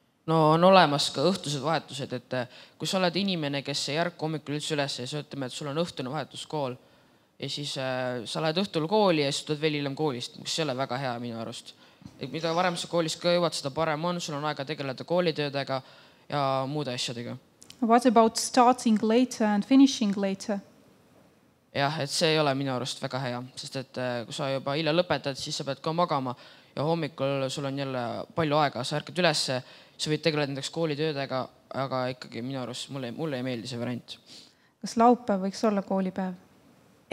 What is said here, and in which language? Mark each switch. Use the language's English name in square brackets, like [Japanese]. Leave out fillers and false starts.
[Estonian] No on olemas ka õhtused vahetused , et kui sa oled inimene , kes ei ärka hommikul üldse üles ja siis ütleme , et sul on õhtune vahetus kool ja siis sa lähed õhtul kooli ja siis tuled veel hiljem koolist , mis ei ole väga hea minu arust . et mida varem sa koolis ka jõuad , seda parem on , sul on aega tegeleda koolitöödega ja muude asjadega . [English] What about starting later and finishing later ? [Estonian] jah , et see ei ole minu arust väga hea , sest et kui sa juba hilja lõpetad , siis sa pead ka magama ja hommikul sul on jälle palju aega , sa ärkad ülesse , sa võid tegeleda näiteks koolitöödega , aga ikkagi minu arust mulle ei meeldi see variant . kas laupäev võiks olla koolipäev ?